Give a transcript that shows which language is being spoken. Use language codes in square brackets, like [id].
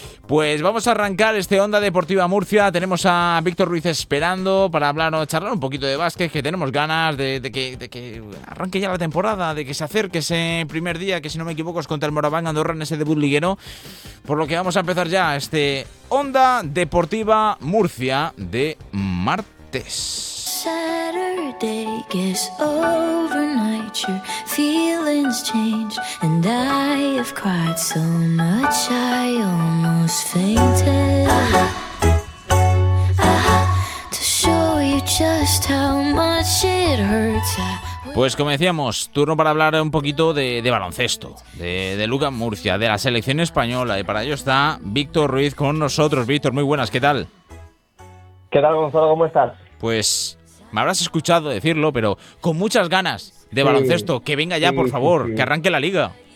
[es] Pues vamos a arrancar este Onda Deportiva Murcia. Tenemos a Víctor Ruiz esperando para hablar o charlar un poquito de básquet, que tenemos ganas de que arranque ya la temporada, de que se acerque ese primer día, que si no me equivoco es contra el Moraván Andorra en ese debut liguero. Por lo que vamos a empezar ya este Onda Deportiva Murcia de martes. [en] Saturday gets overnight, your feelings change, and I have cried so much I almost fainted. To show you just how much it hurts. [es] Pues como decíamos, turno para hablar un poquito de baloncesto, de Lucas Murcia, de la selección española, y para ello está Víctor Ruiz con nosotros. Víctor, muy buenas, ¿qué tal? ¿Qué tal, Gonzalo? ¿Cómo estás? Pues me habrás escuchado decirlo, pero con muchas ganas de baloncesto, que venga ya, por favor, que arranque la liga.